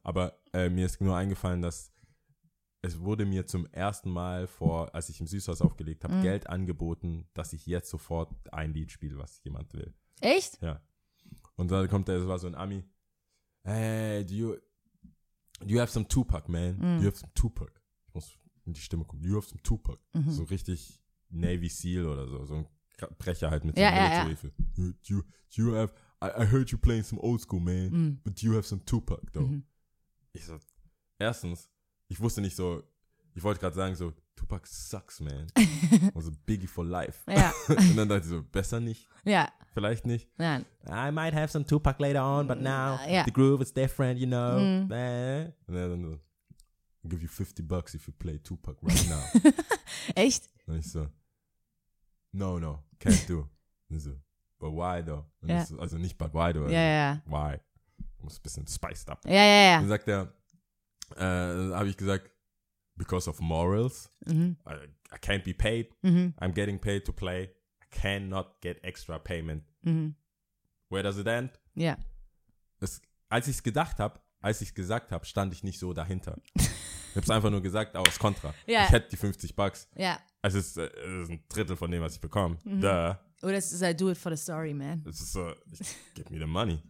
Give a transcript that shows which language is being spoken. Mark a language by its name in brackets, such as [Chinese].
[German] Aber mir ist nur eingefallen, dass es wurde mir zum ersten Mal vor, als ich im Süßhaus aufgelegt habe, Geld angeboten, dass ich jetzt sofort ein Lied spiele, was jemand will. Echt? Ja. Und dann kommt da, es war so ein Ami, [English] hey, do you have some Tupac, man? Do you have some Tupac? [German] Ich muss in die Stimme kommen. [English] You have some Tupac. [German] So richtig Navy Seal oder so. So ein Brecher halt mit so einem Military-Feel. [English] You have, I heard you playing some old school, man, but you have some Tupac, though. [German] Ich so, erstens, ich wusste nicht so, ich wollte gerade sagen so, [English] Tupac sucks, man. Also Biggie for life. [German] Ja. Und dann dachte ich so, besser nicht. Ja. Vielleicht nicht. Nein. [English] I might have some Tupac later on, but now the groove is different, you know. [German] Und dann so, [English] I'll give you 50 bucks if you play Tupac right now. [German] Echt? Und ich so, [English] no, no, can't do. Und ich so, but why though? [German] Und ich so, also nicht [English] but why though. [German] Ja, also, ja. [English] Why? [German] Ich muss ein bisschen spiced up. Ja, ja, ja. Dann sagt er, habe ich gesagt, [English] because of morals, I can't be paid. I'm getting paid to play. I cannot get extra payment. Where does it end? [German] Ja. [English] Yeah. [German] Als ich es gedacht habe, als ich es gesagt habe, stand ich nicht so dahinter. Ich habe es einfach nur gesagt, aus Kontra. [English] Yeah. [German] Ich hätte die 50 Bucks. Ja. [English] Yeah. [German] Es ist ein Drittel von dem, was ich bekomme. Duh. Oder es ist, [English] I do it for the story, man. [German] Es ist so, [English] give me the money.